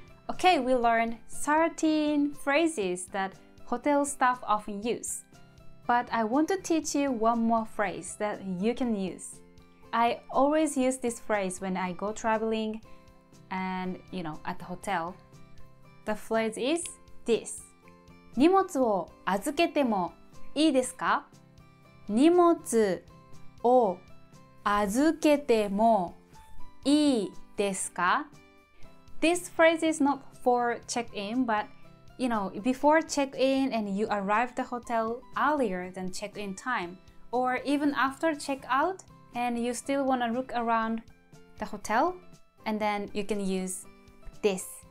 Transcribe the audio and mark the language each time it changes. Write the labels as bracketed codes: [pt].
[en] Okay, we learned 13 phrases that hotel staff often use. But I want to teach you one more phrase that you can use. I always use this phrase when I go traveling and, you know, at the hotel. The phrase is this. [ja] 荷物を預けてもいいですか?荷物を預けてもいいですか? [en] This phrase is not for check-in, but you know, before check-in and you arrive the hotel earlier than check-in time, or even after check-out and you still want to look around the hotel, and then you can use this.